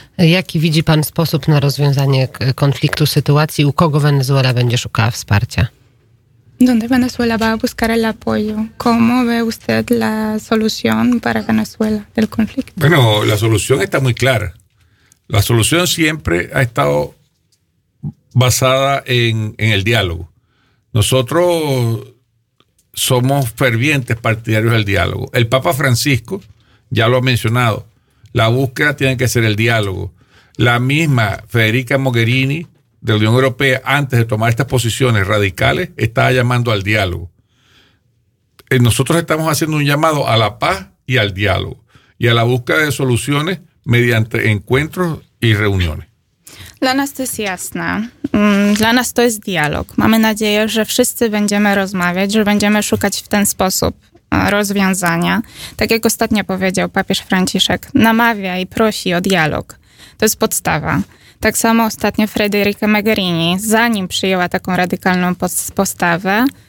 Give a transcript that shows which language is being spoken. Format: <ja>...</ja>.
<pl>Jaki widzi pan sposób na rozwiązanie konfliktu, sytuacji? U kogo Wenezuela będzie szukała wsparcia?</pl> <es>¿Dónde Venezuela va a buscar el apoyo? ¿Cómo ve usted la solución para Venezuela del conflicto? Bueno, la solución está muy clara. La solución siempre ha estado basada en el diálogo. Nosotros somos fervientes partidarios del diálogo. El Papa Francisco ya lo ha mencionado. La búsqueda tiene que ser el diálogo. La misma Federica Mogherini de la Unión Europea, antes de tomar estas posiciones radicales, estaba llamando al diálogo. Nosotros estamos haciendo un llamado a la paz y al diálogo, y a la búsqueda de soluciones mediante encuentros y reuniones.</es> <pl>Dla nas to jest jasne. Dla nas to jest dialog. Mamy nadzieję, że wszyscy będziemy rozmawiać, że będziemy szukać w ten sposób rozwiązania. Tak jak ostatnio powiedział papież Franciszek, namawia i prosi o dialog. To jest podstawa. Tak samo ostatnio Federica Mogherini, zanim przyjęła taką radykalną postawę,</pl>